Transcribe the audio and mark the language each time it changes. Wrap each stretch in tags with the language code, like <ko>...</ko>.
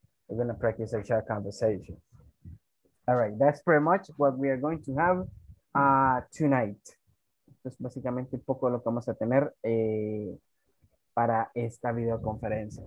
<en>We're going to practice a short conversation. All right, that's pretty much what we are going to have tonight.</en> <es>Es básicamente un poco lo que vamos a tener para esta videoconferencia.</es>